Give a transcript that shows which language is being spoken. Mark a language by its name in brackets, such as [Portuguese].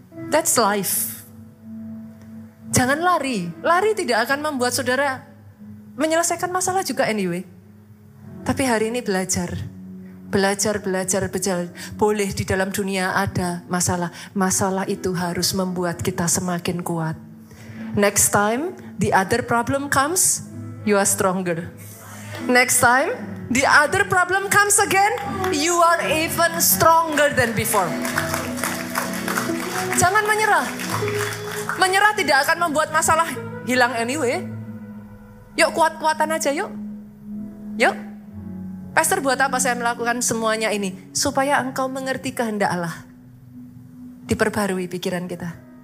[English] That's life. [Indonesian] Jangan lari. Lari tidak akan membuat saudara menyelesaikan masalah juga anyway. Tapi hari ini belajar. Belajar. Boleh di dalam dunia ada masalah. Masalah itu harus membuat kita semakin kuat. [English] Next time, the other problem comes, you are stronger. Next time, the other problem comes again, you are even stronger than before. [Indonesian] Jangan menyerah. Menyerah tidak akan membuat masalah hilang anyway. Yuk kuat-kuatan aja yuk. Yuk. Pastor, buat apa saya melakukan semuanya ini? Supaya engkau mengerti kehendak Allah. Diperbarui pikiran kita.